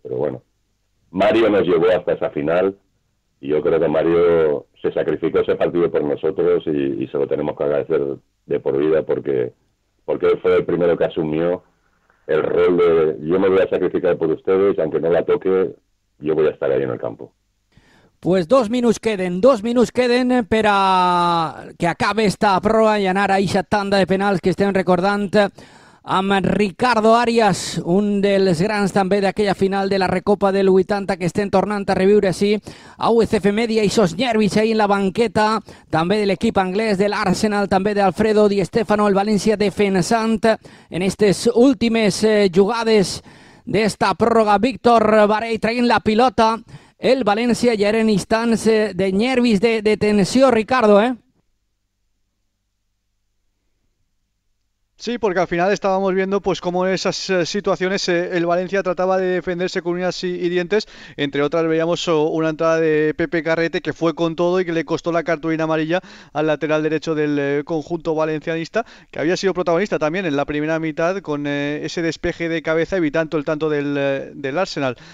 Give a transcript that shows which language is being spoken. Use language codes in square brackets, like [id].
[es] Pero bueno, Mario nos llevó hasta esa final. Y yo creo que Mario se sacrificó ese partido por nosotros y se lo tenemos que agradecer de por vida porque él fue el primero que asumió el rol de yo me voy a sacrificar por ustedes, aunque no la toque, yo voy a estar ahí en el campo. [ca] Pues 2 minuts queden, 2 minuts queden per a que acabe esta prova i anar a aquesta tanda de penals que estem recordant amb Ricardo Arias, un dels grans també d'aquella final de la Recopa del 80 que estem tornant a reviure així a UCF Media i sos nervis ahí en la banqueta també de l'equip anglès, de l'Arsenal, també d'Alfredo Di Stéfano, el València defensant en aquestes últimes jugades d'esta pròrroga. Víctor Varey traient la pilota, el València ja era en instants de nervis, de tensió, Ricardo, eh? [es] Sí, porque al final estábamos viendo pues cómo en esas situaciones el Valencia trataba de defenderse con uñas y dientes. Entre otras veíamos una entrada de Pepe Carrete que fue con todo y que le costó la cartulina amarilla al lateral derecho del conjunto valencianista, que había sido protagonista también en la primera mitad con ese despeje de cabeza evitando el tanto del Arsenal.